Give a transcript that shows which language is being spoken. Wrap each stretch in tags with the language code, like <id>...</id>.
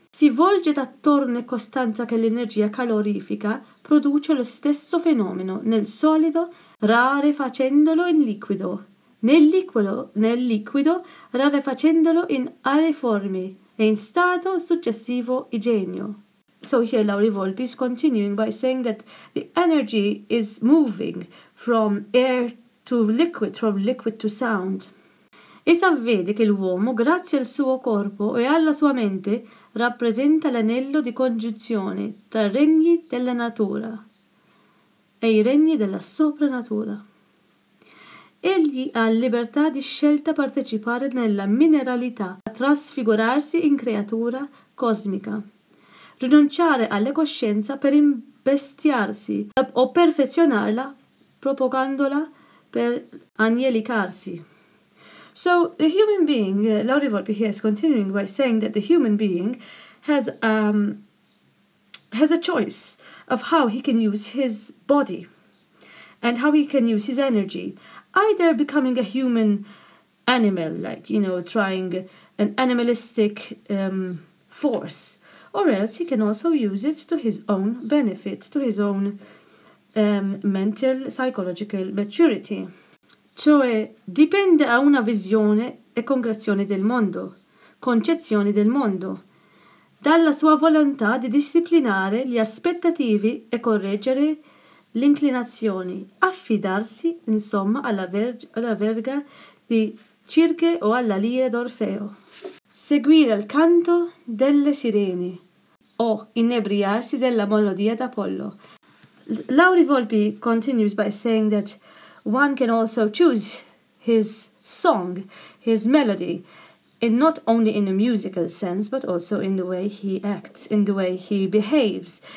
<it>Si volge d'attorno e costanza che l'energia calorifica produce lo stesso fenomeno nel solido, rarefacendolo in liquido, nel liquido, rarefacendolo in aeriforme e in stato successivo igenio.</it> <en>So here Laurie Volpi is continuing by saying that the energy is moving from air to liquid, from liquid to sound.</en> <it>E s'avvede che l'uomo, grazie al suo corpo e alla sua mente, rappresenta l'anello di congiunzione tra i regni della natura e i regni della soprannatura. Egli ha libertà di scelta partecipare nella mineralità, a trasfigurarsi in creatura cosmica, rinunciare alle coscienze per imbestiarsi o perfezionarla, propagandola per angelicarsi.</it> <en>So the human being, Laurie Volpi here is continuing by saying that the human being has a choice of how he can use his body and how he can use his energy. Either becoming a human animal, like, you know, trying an animalistic force, or else he can also use it to his own benefit, to his own mental, psychological maturity.</en> <it>Cioè, dipende a una visione e concrezione del mondo, concezione del mondo, dalla sua volontà di disciplinare le aspettative e correggere l'inclinazione, affidarsi, insomma, alla verga di Circe o alla lira d'Orfeo. Seguire il canto delle sirene o inebriarsi della melodia d'Apollo.</it> <en>Lauri Volpi continues by saying that one can also choose his song, his melody, and not only in a musical sense, but also in the way he acts, in the way he behaves.</en>